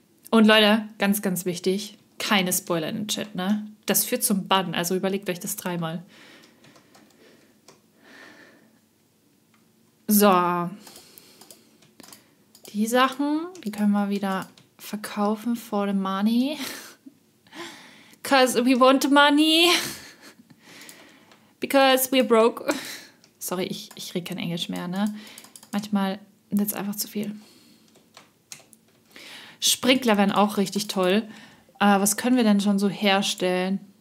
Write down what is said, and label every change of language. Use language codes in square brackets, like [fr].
[de] Und Leute, ganz, ganz wichtig, keine Spoiler in den Chat, ne? Das führt zum Bann, also überlegt euch das dreimal. So. Die Sachen, die können wir wieder verkaufen [en] for the money. Because we want the money. Because we're broke. [de] Sorry, ich rede kein Englisch mehr, ne? Manchmal sind es einfach zu viel. Sprinkler wären auch richtig toll. Was können wir denn schon so herstellen?